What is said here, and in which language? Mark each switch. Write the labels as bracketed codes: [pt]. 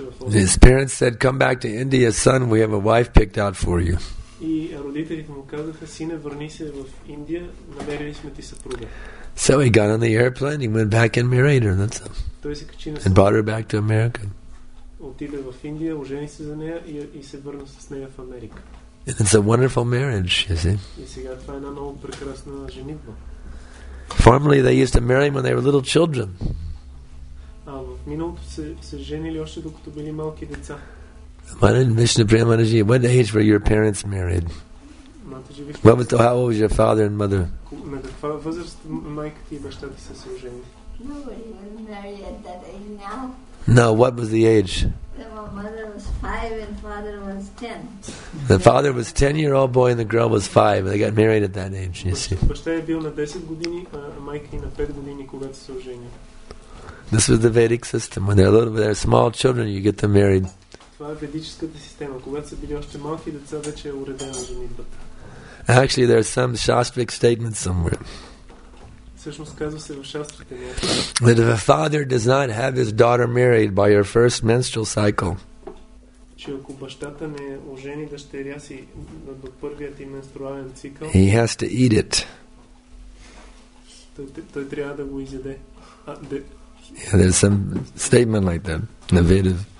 [en] His parents said, "Come back to India, son, we have a wife picked out for you." [bg] И родителите му казаха: "Сине, върни се в Индия, намерили сме ти съпруга." [en] So he got on the airplane, he went back and married her. That's all. [bg] Той се качи на самолет. [en] Brought her back to America. [bg] Отиде в Индия, ожени се за нея и се върна с нея в Америка. [en] And it's a wonderful marriage, you see. [bg] И сега това е една много прекрасна женитба. [en] Formerly they used to marry when they were little children. [bg] А в миналото се женили още докато били малки деца. [en] Mataji, what age were your parents married? What was how old was your father and mother? [bg] На каква възраст майката и бащата са се ожени? [en] No, we were married at that age now. No, what was the age? My mother was 5 and father was 10. The father was 10-year-old boy and the girl was 5. They got married at that age, you see. [bg] Бащата е бил на 10 години, а майка и на 5 години, когато се ожени. [en] This was the Vedic system. When they're small children, you get them married. [bg] Това е ведическата система. Когато са били още малки деца, вече е уредена женитбата. [en] Actually, there are some shastric statements somewhere. [bg] Всъщност казва се в шастрите. [en] That if a father does not have his daughter married by her first menstrual cycle. [bg] Че ако бащата не ожени дъщеря си до първият им менструален цикъл. [en] He has to eat it. [bg] Той трябва да го изяде. [en] Yeah, there's some statement like that. Navedev.